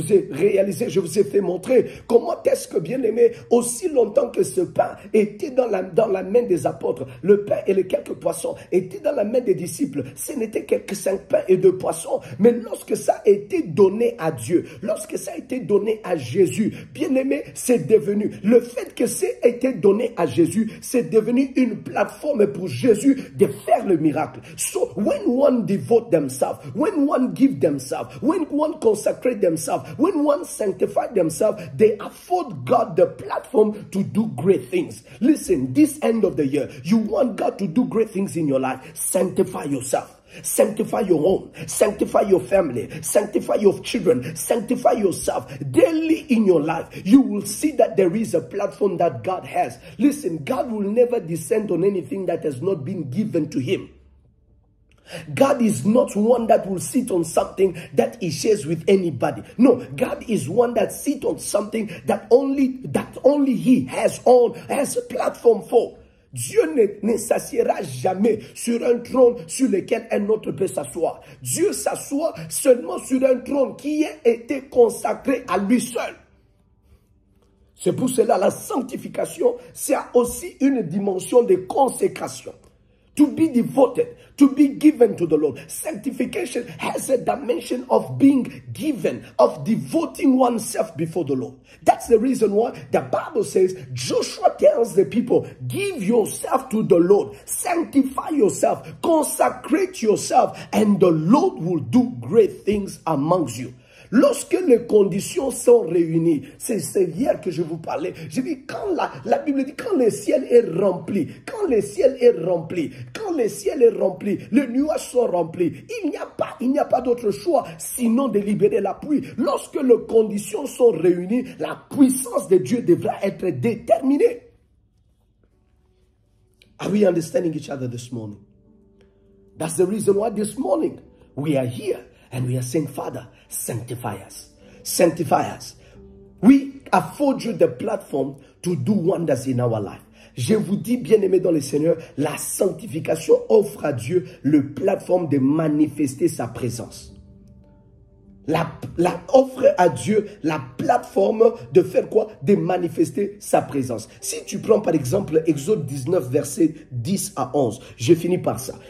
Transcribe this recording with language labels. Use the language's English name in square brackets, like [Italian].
[French] Je vous ai fait montrer comment est-ce que, bien aimé, aussi longtemps que ce pain était dans la main des apôtres, le pain et les quelques poissons étaient dans la main des disciples, ce n'était que 5 pains et 2 poissons. Mais lorsque ça a été donné à Dieu, lorsque ça a été donné à Jésus, bien aimé, c'est devenu, le fait que ça a été donné à Jésus, c'est devenu une plateforme pour Jésus de faire le miracle. [English] So when one devote themselves, when one give themselves, when one consecrate themselves, when one sanctify themselves, they afford God the platform to do great things. Listen, this end of the year, you want God to do great things in your life, sanctify yourself. Sanctify your home, sanctify your family, sanctify your children, sanctify yourself daily in your life. You will see that there is a platform that God has. Listen, God will never descend on anything that has not been given to him. God is not one that will sit on something that he shares with anybody. No, God is one that sits on something that only he has a platform for. [French] Dieu ne s'assiera jamais sur un trône sur lequel un autre peut s'asseoir. Dieu s'assoit seulement sur un trône qui a été consacré à lui seul. C'est pour cela la sanctification, c'est aussi une dimension de consécration. [English] To be devoted, to be given to the Lord. Sanctification has a dimension of being given, of devoting oneself before the Lord. That's the reason why the Bible says, Joshua tells the people, give yourself to the Lord, sanctify yourself, consecrate yourself, and the Lord will do great things amongst you. [French] Lorsque les conditions sont réunies, c'est hier que je vous parlais. Je dis, quand la Bible dit, quand le ciel est rempli, quand le ciel est rempli, quand le ciel est rempli, les nuages sont remplis, il n'y a pas d'autre choix sinon de libérer la pluie. Lorsque les conditions sont réunies, la puissance de Dieu devra être déterminée. [English] Are we understanding each other this morning? That's the reason why this morning we are here. And we are saying, Father, sanctify us. Sanctify us. We afford you the platform to do wonders in our life. [French] Je vous dis, bien-aimé dans le Seigneur, la sanctification offre à Dieu le plateforme de manifester sa présence. Offre à Dieu la plateforme de faire quoi? De manifester sa présence. Si tu prends par exemple Exode 19, verset 10 à 11, je finis par ça.